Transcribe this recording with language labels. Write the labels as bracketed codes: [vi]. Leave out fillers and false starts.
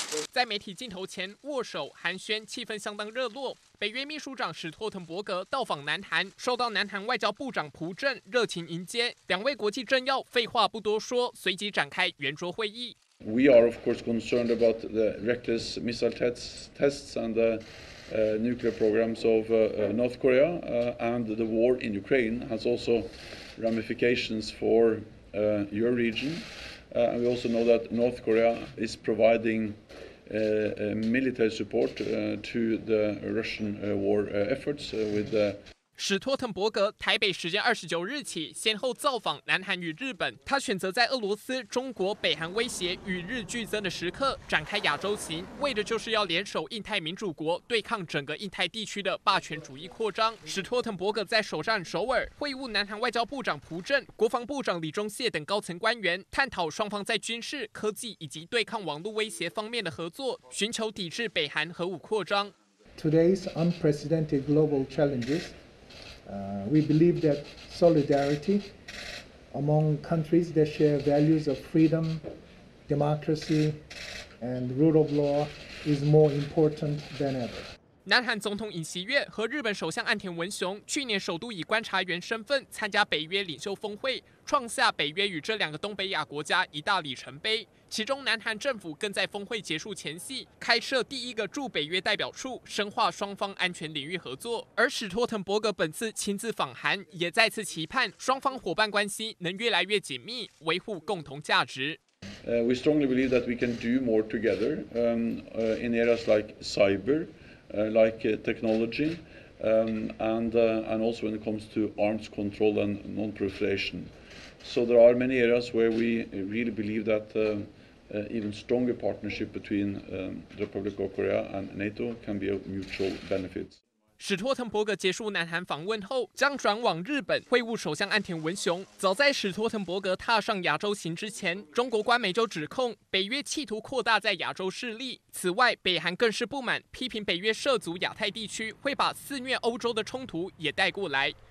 [zh] 在媒体镜头前握手寒暄，气氛相当热络。北约秘书长史托滕伯格到访南韩，受到南韩外交部长朴正热情迎接。两位国际政要废话不多说，随即展开圆桌会议。 [en] We are of course concerned about the reckless missile tests and the nuclear programs of North Korea, and the war in Ukraine has also ramifications for your region. And we also know that North Korea is providing military support to the Russian war efforts with the [zh] 史托滕伯格台北时间29日起先后造访南韩与日本，他选择在俄罗斯、中国、北韩威胁与日俱增的时刻展开亚洲行，为的就是要联手印太民主国对抗整个印太地区的霸权主义扩张。史托滕伯格在首战首尔会晤南韩外交部长朴正、国防部长李忠谢等高层官员，探讨双方在军事、科技以及对抗网络威胁方面的合作，寻求抵制北韩核武扩张。 [en] Today's unprecedented global challengesWe believe that solidarity among countries that share values of freedom, democracy, and rule of law is more important than ever. [zh] 南韩总统尹锡悦和日本首相岸田文雄去年首度以观察员身份参加北约领袖峰会，创下北约与这两个东北亚国家一大里程碑。其中南韩政府更在峰会结束前夕开设第一个驻北约代表处，深化双方安全领域合作。而史托滕伯格本次亲自访韩，也再次期盼双方伙伴关系能越来越紧密，维护共同价值。 [en] We strongly believe that we can do more together in areas like cyber,like technology, and also when it comes to arms control and non-proliferation. So there are many areas where we really believe that even stronger partnership between the Republic of Korea and NATO can be of mutual benefit. [zh] 史托滕伯格结束南韩访问后将转往日本会晤首相岸田文雄。早在史托滕伯格踏上亚洲行之前，中国官媒就指控北约企图扩大在亚洲势力。此外，北韩更是不满，批评北约涉足亚太地区，会把肆虐欧洲的冲突也带过来。